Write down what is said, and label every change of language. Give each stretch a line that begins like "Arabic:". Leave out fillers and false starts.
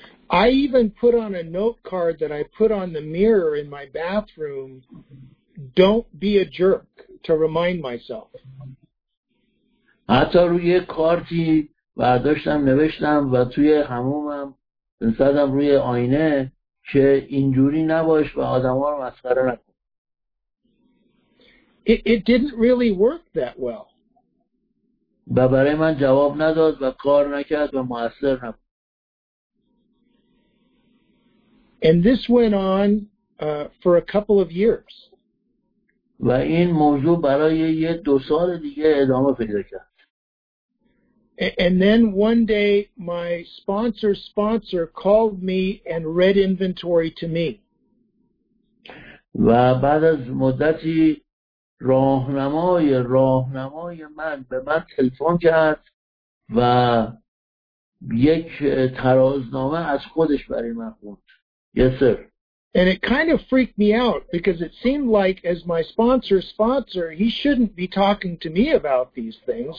English: I even put on a note card that I put on the mirror in my bathroom, don't be a jerk, to remind myself.
Persian: حتی روی کارتی برداشتم نوشتم و توی حمومم زدم روی آینه که اینجوری نباش و آدم‌ها رو مسخره نکن.
English: It didn't really work that well.
Persian: و برای من جواب نداد و کار نکرد و مؤثر نبود.
English: And this went on for a couple of years.
Persian: و این موضوع برای یه دو سال دیگه ادامه پیدا کرد.
English: And then one day my sponsor called me and read inventory to me.
Persian: و بعد از مدتی راهنمای من به من تلفن کرد و یک ترازنامه از خودش برای من خوند.
English: Yes, sir. And it kind of freaked me out because it seemed like as my sponsor, he shouldn't be talking to me about these things.